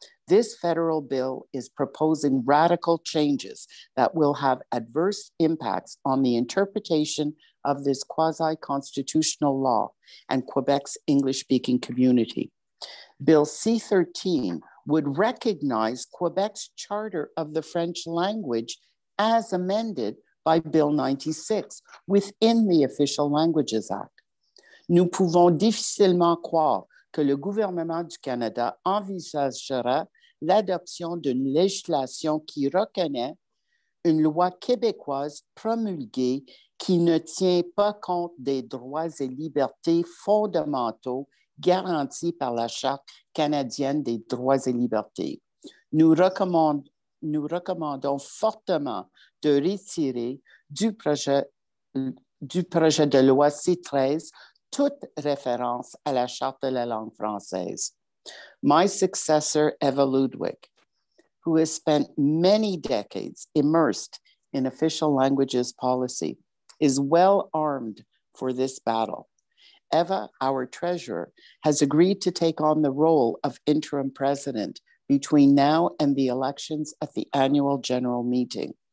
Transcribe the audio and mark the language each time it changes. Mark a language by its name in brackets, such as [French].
[English] This federal bill is proposing radical changes that will have adverse impacts on the interpretation of this quasi-constitutional law and Quebec's English-speaking community. Bill C-13 would recognize Quebec's Charter of the French Language as amended by Bill 96 within the Official Languages Act. [French] Nous pouvons difficilement croire que le gouvernement du Canada envisagera l'adoption d'une législation qui reconnaît une loi québécoise promulguée qui ne tient pas compte des droits et libertés fondamentaux garantis par la Charte canadienne des droits et libertés. Nous recommandons fortement de retirer du projet de loi C-13 toute référence à la Charte de la langue française. [English] My successor, Eva Ludvig, who has spent many decades immersed in official languages policy, is well armed for this battle. Eva, our treasurer, has agreed to take on the role of interim president between now and the elections at the annual general meeting.